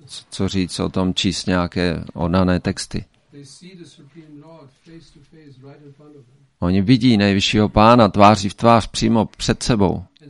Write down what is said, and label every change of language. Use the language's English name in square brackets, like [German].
[Czech] Co říct o tom číst nějaké odané texty? [English] They see the Supreme Lord face to face right in front of them. [Czech] Oni vidí nejvyššího pána tváří v tvář přímo před sebou.